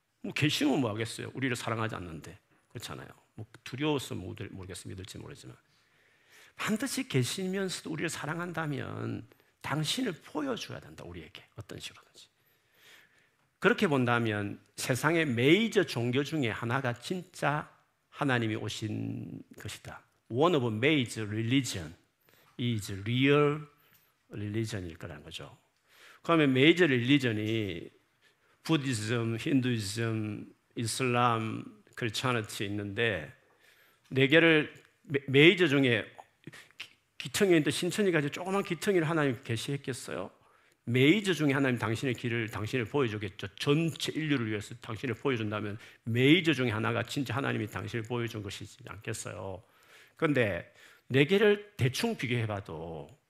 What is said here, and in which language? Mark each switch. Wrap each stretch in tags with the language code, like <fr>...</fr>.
<ko>뭐 계시면 뭐 하겠어요. 우리를 사랑하지 않는데. 그렇잖아요. 뭐 두려워서 모르겠어요. 믿을지 모르지만. 반드시 계시면서도 우리를 사랑한다면 당신을 보여줘야 된다. 우리에게 어떤 식으로든지. 그렇게 본다면 세상의 메이저 종교 중에 하나가 진짜 하나님이 오신 것이다.</ko> <en>One of the major religion is real religion</en> <ko>일 거라는 거죠. 그러면 메이저 릴리전이 부디즘, 힌두이즘, 이슬람, 크리스천티 있는데 네 개를 메이저 중에 기청이인데 신천이까지 조그만 기청이를 하나님이 계시했겠어요? 메이저 중에 하나님 당신의 길을 당신을 보여주겠죠. 전체 인류를 위해서 당신을 보여준다면 메이저 중에 하나가 진짜 하나님이 당신을 보여준 것이지 않겠어요. 그런데 네 개를 대충 비교해봐도</ko>